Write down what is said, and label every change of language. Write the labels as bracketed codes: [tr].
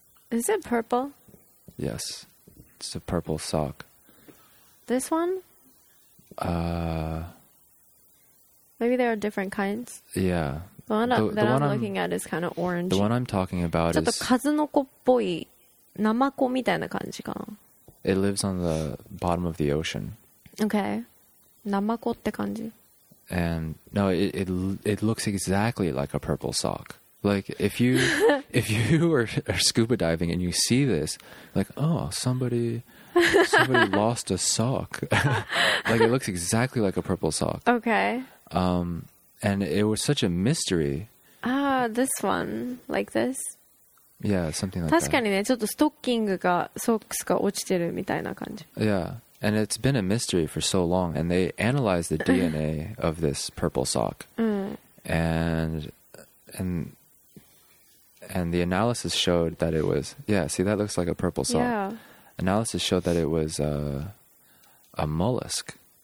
[en] Is it purple? Yes. It's a purple sock. This one? Maybe there are different kinds? Yeah. The one I'm looking at is kind of orange. The one I'm talking about is... [ja] ちょっと数の子っぽい、ナマコみたいな感じかな。 [en] It lives on the bottom of the ocean. Okay. [ja] ナマコって感じ。 [en] And no, it looks exactly like a purple sock. Like if you are scuba diving and you see this, like, oh, somebody lost a sock. Like it looks exactly like a purple sock. Okay. And it was such a mystery. Ah, this one, like this. Yeah, something like that. [ja] 確かにね、ちょっとストッキングかソックスが落ちてるみたいな感じ。 [en] Yeah, and it's been a mystery for so long, and they analyzed the DNA of this purple sock. And the analysis showed that it was... Yeah, see, that looks like a purple sock. Yeah. Analysis showed that it was a mollusk.